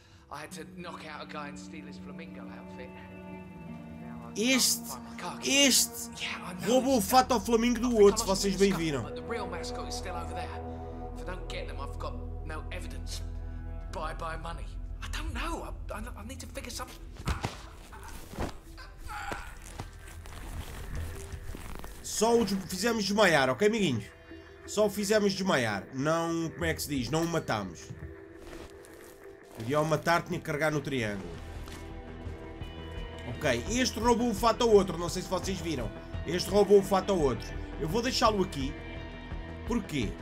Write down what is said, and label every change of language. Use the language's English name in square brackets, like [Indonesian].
[English] I had to knock out a guy and steal his flamingo outfit. [Portuguese] Este roubou o fato ao flamingo do outro, se vocês bem viram. [English] The real mascot is still over there. If I don't get them, I've got no evidence. Bye-bye money. I don't know. I need to figure something. [Portuguese] Só o fizemos desmaiar, ok, amiguinhos? Só o fizemos desmaiar. Não, como é que se diz? Não o matamos. E ao matar tinha que carregar no triângulo. Ok, este roubou o fato ao outro. Não sei se vocês viram. Este roubou o fato ao outro. Eu vou deixá-lo aqui. Porquê?